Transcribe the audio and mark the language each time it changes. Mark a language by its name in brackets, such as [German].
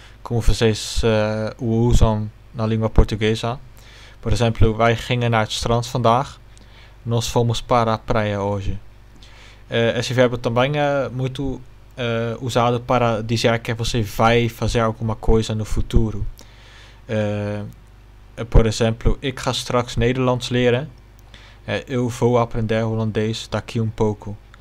[Portuguese] como vocês usam na língua portuguesa. [Dutch] Por exemplo, wij gingen naar het strand vandaag. [Portuguese] Nós fomos para a praia hoje. Esse verbo também é muito usado para dizer que você vai fazer alguma coisa no futuro. Por exemplo, [Dutch] ik ga straks Nederlands leren. [Portuguese] Eu vou aprender holandês daqui pouco.